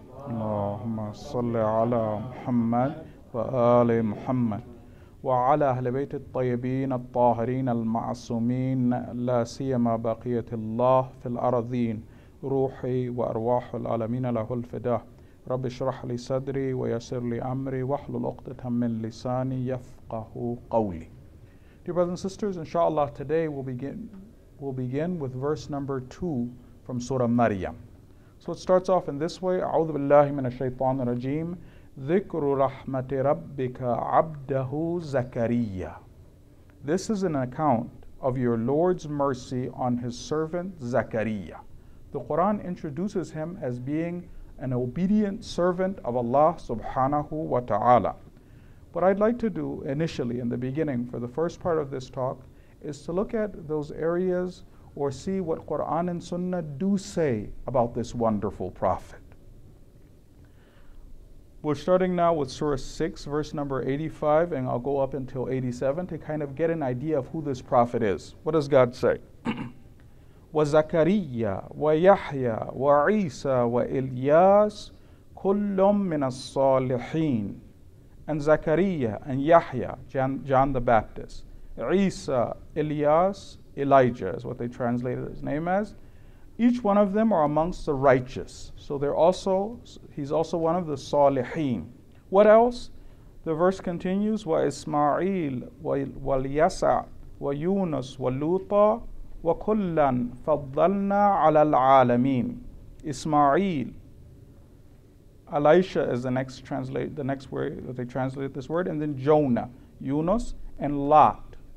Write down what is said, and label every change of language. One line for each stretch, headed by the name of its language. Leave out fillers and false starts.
Arabic: اللهم صل على محمد وآل محمد وعلى أهل بيت الطيبين الطاهرين المعصومين، لا سيما بقية الله في الأرضين، روحي وأرواح العالمين له الفداء. رب اشرح لي صدري ويسر لي أمري واحلل عقدة من لساني يفقه قولي.
English: Dear brothers and sisters, inshallah today we'll begin with verse number 2 from Surah Maryam. So it starts off in this way:
Arabic: أعوذ بالله من الشيطان الرجيم. ذكر رحمة ربك عبده زكريا.
English: This is an account of your Lord's mercy on his servant Zakaria. The Quran introduces him as being an obedient servant of Allah
Arabic: subhanahu wa ta'ala.
English: What I'd like to do initially in the beginning for the first part of this talk is to look at those areas or see what Quran and Sunnah do say about this wonderful prophet. We're starting now with Surah 6, verse number 85, and I'll go up until 87 to kind of get an idea of who this prophet is. What does God say?
Arabic: وزكريا ويحيى وعيسى وإلياس كلهم من الصالحين.
English: And زكريا and يحيى, John the Baptist, عيسى, إلياس, Elijah is what they translated his name as. Each one of them are amongst the righteous. So they're also, he's also one of the صالحين. What else? The verse continues,
Arabic: وإسماعيل واليسع ويونس ولوطا وَكُلًّا فَضَّلْنَا عَلَى الْعَالَمِينَ.
English: Ismail, Elisha is the next word that they translate this word, and then Jonah, Yunus, and Lot.